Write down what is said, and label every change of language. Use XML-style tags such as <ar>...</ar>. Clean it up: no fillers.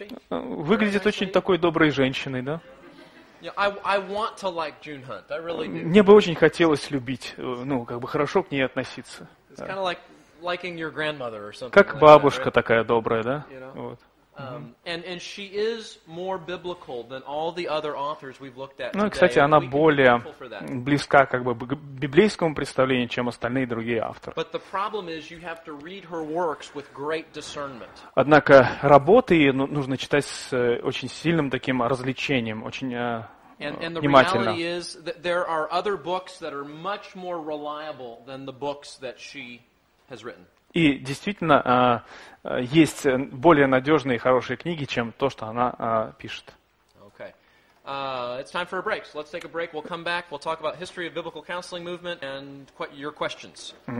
<ru>Выглядит очень такой доброй женщиной, да? Мне бы очень хотелось любить, ну, как бы хорошо к ней относиться. Как бабушка такая добрая, да? Вот.</ru> <en>And she is more biblical than all the other authors we've looked at.</en> <ru>Ну, кстати, она более близка как бы к библейскому представлению, чем остальные другие авторы.</ru> <en>But the problem is you have to read her works with great discernment.</en> <ru>Однако работы ей нужно читать с очень сильным таким развлечением, очень внимательно.</ru> <en>And the reality is that there are other books that are much more reliable than the books that she has written.</en> <ru>И действительно, есть более надежные и хорошие книги, чем то, что она пишет.</ru> <en>Okay. It's time for a break. So let's take a break. We'll come back. We'll talk about history of biblical counseling movement and your questions.</en>